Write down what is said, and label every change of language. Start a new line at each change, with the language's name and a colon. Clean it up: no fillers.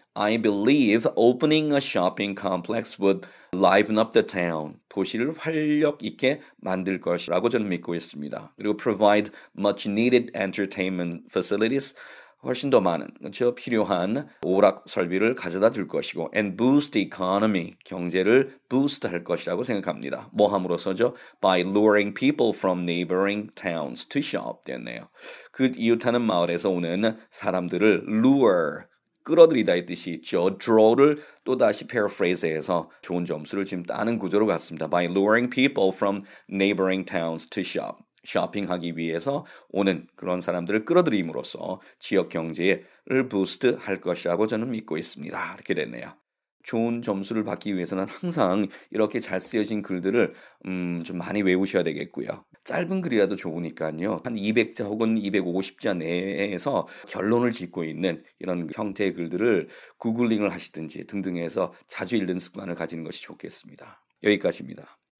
English: I believe opening a shopping complex would liven up the town.
Korean: 도시를 활력 있게 만들 것이라고 저는 믿고 있습니다.
English: 그리고 provide much needed entertainment facilities.
Korean: 훨씬 더 많은, 그렇죠? 필요한 오락 설비를 가져다 줄 것이고,
English: and boost the economy,
Korean: 경제를 boost 할 것이라고 생각합니다. 뭐 함으로써죠?
English: By luring people from neighboring towns to shop
Korean: 됐네요. 그 이웃하는 마을에서 오는 사람들을 lure, 끌어들이다의 뜻이 있죠. draw를 또다시 paraphrase해서 좋은 점수를 지금 따는 구조로 갔습니다.
English: By luring people from neighboring towns to shop.
Korean: 쇼핑하기 위해서 오는 그런 사람들을 끌어들임으로써 지역 경제를 부스트 할 것이라고 저는 믿고 있습니다. 이렇게 됐네요. 좋은 점수를 받기 위해서는 항상 이렇게 잘 쓰여진 글들을 좀 많이 외우셔야 되겠고요. 짧은 글이라도 좋으니까요. 한 200자 혹은 250자 내에서 결론을 짓고 있는 이런 형태의 글들을 구글링을 하시든지 등등 해서 자주 읽는 습관을 가지는 것이 좋겠습니다. 여기까지입니다.